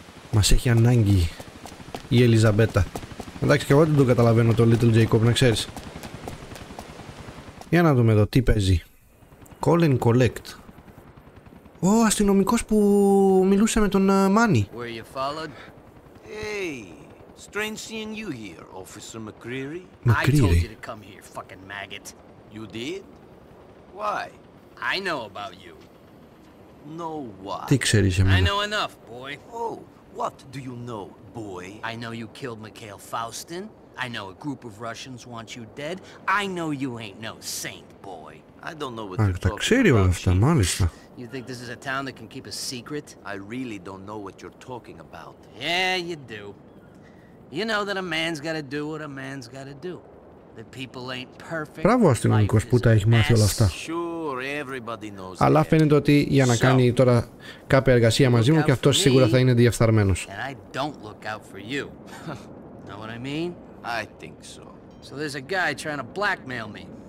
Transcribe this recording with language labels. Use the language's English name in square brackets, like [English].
[Greek] Μας έχει ανάγκη η Ελιζαμπέτα. Εντάξει, και εγώ δεν το καταλαβαίνω τον Little Jacob, να ξέρεις. Για να δούμε εδώ τι παίζει. [English] Call and collect. [Greek] Ο αστυνομικός που μιλούσε με τον Manny. [English] Where you followed? Hey, strange seeing you here, Officer McCreary. McCreary. I told you to come here, fucking maggot. You did? Why? I know about you. Know what? [Greek] Τι ξέρεις εμένα? [English] I know enough, boy. Oh, what do you know, boy? I know you killed Mikhail Faustin. I know a group of Russians want you dead. I know you ain't no saint, boy. I don't know what you're talking about. [Greek] Τα ξέρει όλα αυτά, μάλιστα. [English] You think this is a town that can keep a secret? I really don't know what you're talking about. Yeah, you do. You know that a man's gotta do what a man's gotta do. That people ain't perfect. [Greek] Μπράβο αστυνομικός που τα έχει μάθει όλα αυτά. [English] Sure, everybody knows. [Greek] Αλλά φαίνεται ότι για να κάνει τώρα κάποια εργασία μαζί μου και αυτός σίγουρα θα είναι διεφθαρμένος. [English] And I don't look out for you. Know what I mean? I think so. So there's a guy trying to blackmail me.